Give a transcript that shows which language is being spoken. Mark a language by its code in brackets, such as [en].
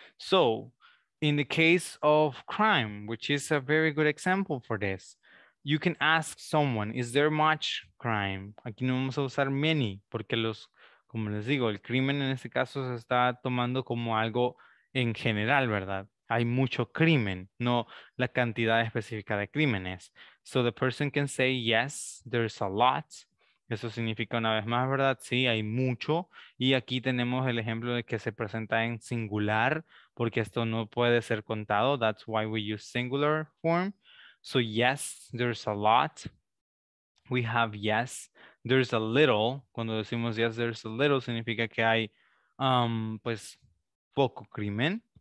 [en] So, in the case of crime, which is a very good example for this, you can ask someone, is there much crime? [es] Aquí no vamos a usar many, porque los, como les digo, el crimen en este caso se está tomando como algo en general, ¿verdad? Hay mucho crimen, no la cantidad específica de crímenes. [en] So the person can say, yes, there's a lot. [es] Eso significa una vez más, ¿verdad? Sí, hay mucho. Y aquí tenemos el ejemplo de que se presenta en singular, porque esto no puede ser contado. [en] That's why we use singular form. So yes, there's a lot. We have yes, there's a little. [es] Cuando decimos [en] yes, there's a little, [es] significa que hay pues poco crimen.